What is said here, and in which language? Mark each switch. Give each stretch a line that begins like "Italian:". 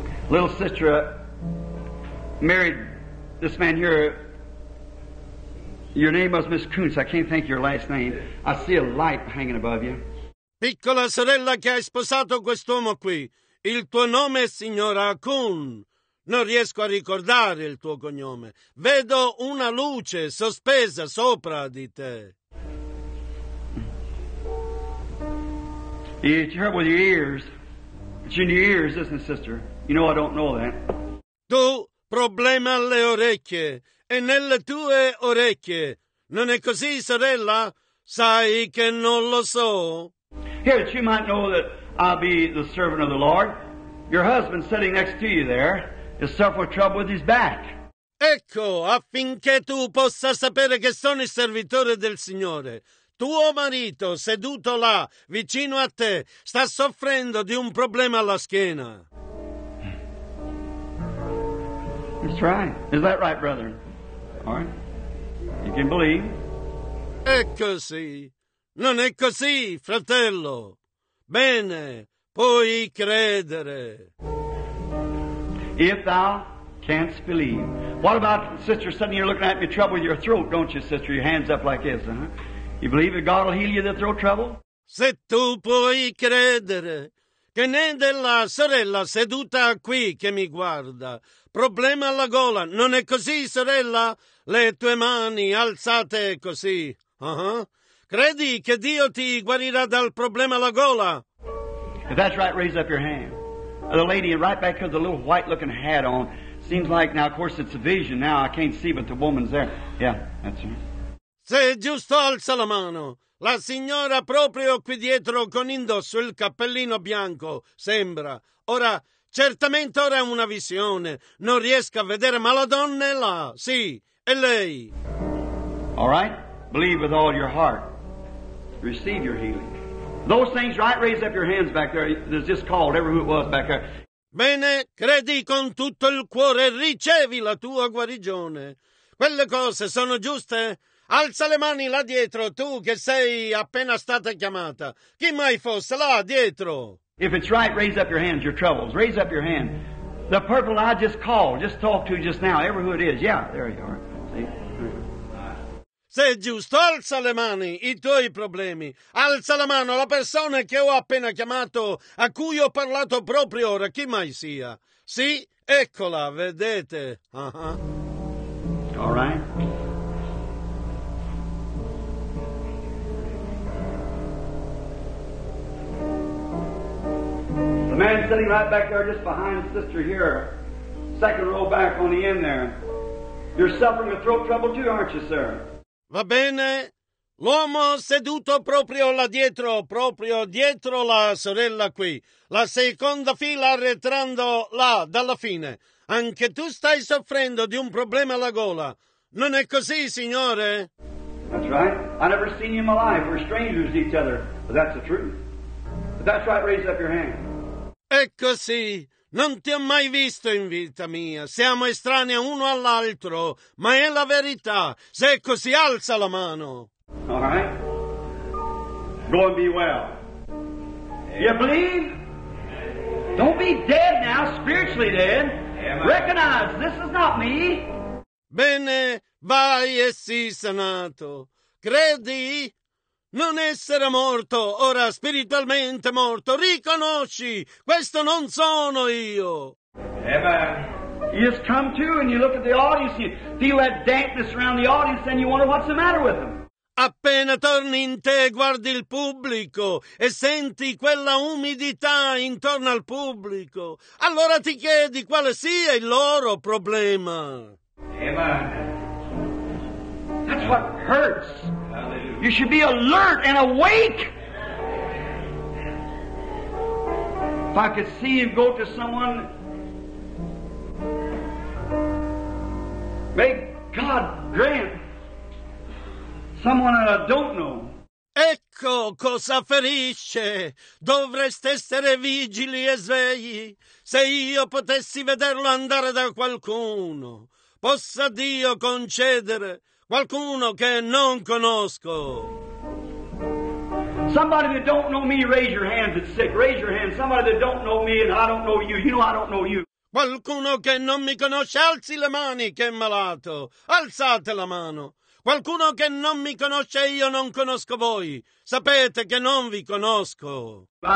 English: Little sister married this man here. Your name was Miss Kuntz. I can't think of your last name. I see a light hanging above you.
Italian: Piccola sorella che hai sposato quest'uomo qui. Il tuo nome è signora Kuhn. Non riesco a ricordare il tuo cognome. Vedo una luce sospesa sopra di te.
English: It's hurt with your ears. It's in your ears, isn't it, sister? You know I don't know that.
Italian: Tu, problema alle orecchie, e nelle tue orecchie. Non è così, sorella? Sai che non lo so.
English: Here, you might know that I'll be the servant of the Lord. Your husband sitting next to you there is suffering trouble with his back.
Italian: Ecco, affinché tu possa sapere che sono il servitore del Signore. Tuo marito, seduto là, vicino a te, sta soffrendo di un problema alla schiena.
English: That's right. Is that right, brother? All right. You can believe.
Italian: È così. Non è così, fratello. Bene, puoi credere.
English: If thou canst believe. What about, sister, suddenly you're looking at me, trouble with your throat, don't you, sister? Your hands up like this, huh? You believe that God will heal you of the throat trouble?
Italian: Se tu puoi credere che né della sorella seduta qui che mi guarda, problema alla gola, non è così, sorella? Le tue mani alzate così, Credi che Dio ti guarirà dal problema alla gola?
English: If that's right, raise up your hand. The lady right back with the little white-looking hat on. Seems like, now, of course, it's a vision. Now, I can't see, but the woman's there. Yeah, that's her.
Italian: Se giusto alza la mano. La signora proprio qui dietro con indosso il cappellino bianco, sembra. Ora, certamente ora è una visione. Non riesco a vedere, ma la donna è là. Sì, è lei.
English: All right. Believe with all your heart. Receive your healing. Those things, right? Raise up your hands back there. There's just called, whatever it was back there.
Italian: Bene, credi con tutto il cuore, ricevi la tua guarigione. Quelle cose sono giuste? Alza le mani là dietro, tu che sei appena stata chiamata. Chi mai fosse là dietro?
English: If it's right, raise up your hands, your troubles. Raise up your hand. The purple I just called, just talked to just now, ever who it is. Yeah, there you are. See?
Italian: Se è giusto, alza le mani, i tuoi problemi. Alza la mano, la persona che ho appena chiamato, a cui ho parlato proprio ora, chi mai sia. Sì, eccola, vedete.
English: All right. The man sitting right back there, just behind sister here, second row back on the end there. You're suffering a throat trouble too, aren't you, sir?
Italian: Va bene, l'uomo seduto proprio dietro la sorella qui, la seconda fila arretrando là, dalla fine. Anche tu stai soffrendo di un problema alla gola, non è così, signore?
English: That's right, I've never seen you in my life, we're strangers to each other, but that's the truth. But that's right, raise up your hand.
Italian: È così. Non ti ho mai visto in vita mia. Siamo estranei uno all'altro, ma è la verità. Se è così, alza la mano.
English: All right. Go and be well. You believe? Don't be dead now, spiritually dead. Recognize, this is not me.
Italian: Bene, vai e sii sanato. Credi? Non essere morto, ora spiritualmente morto. Riconosci, questo non sono io.
English: Amen. You just come to and you look at the audience, you feel that dampness around the audience and you wonder what's the matter with them.
Italian: Appena torni in te, guardi il pubblico e senti quella umidità intorno al pubblico. Allora ti chiedi quale sia il loro problema.
English: Amen. That's what hurts. You should be alert and awake. If I could see you go to someone, may God grant someone that I don't know.
Italian: Ecco cosa ferisce. Dovreste essere vigili e svegli. Se io potessi vederlo andare da qualcuno, possa Dio concedere. Qualcuno che non conosco.
English: Somebody that don't know me, raise your hands, it's sick. Raise your hands. Somebody that don't know me and I don't know you. You know I don't know you.
Italian: Qualcuno che non mi conosce, alzi le mani che è malato. Alzate la mano. Qualcuno che non mi conosce, io non conosco voi. Sapete che non vi conosco.